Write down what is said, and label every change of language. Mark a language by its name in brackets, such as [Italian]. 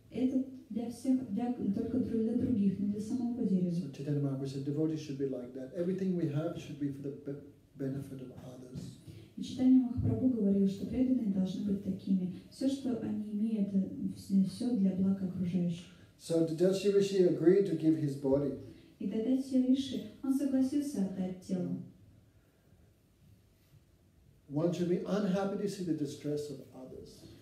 [Russian] Это для всех, только для других, не для самого дерева. [English] So Chaitanya Mahaprabhu said, devotees should be like that. Everything we have should be for the benefit of others. [Russian] И Chaitanya Mahaprabhu говорил, что преданные должны быть такими. Все, что они имеют, все для блага окружающих. [English] So Dadashi Rishi agreed to give his body. [Russian] И тогда все Риши, он согласился отдать тело. [English] One should be unhappy to see the distress of others.